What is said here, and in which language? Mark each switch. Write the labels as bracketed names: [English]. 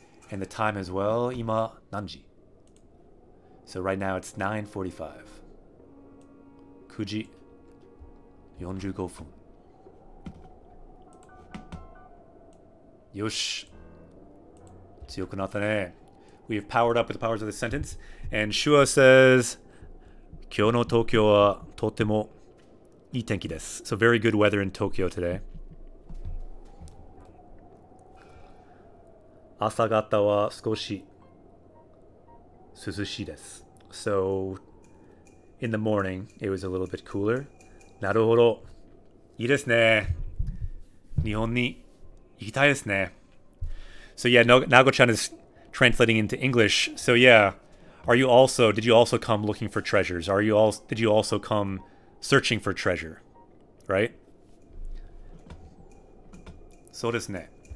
[English] And the time as well, [Japanese] 今何時? [English] So right now it's 9:45. [Japanese] 9時45分。よし。強くなったね。 [English] We have powered up with the powers of the sentence. And Shua says, [Japanese] 今日の東京はとてもいい天気です。 [English] So very good weather in Tokyo today. [Japanese] 朝方は少し涼しいです。 [English] So, in the morning, it was a little bit cooler. [Japanese] なるほど。いいですね。日本に行きたいですね。 [English] So yeah, Nago-chan is translating into English. So yeah, did you also come looking for treasures? Did you also come searching for treasure? Right? [Japanese] そうですね。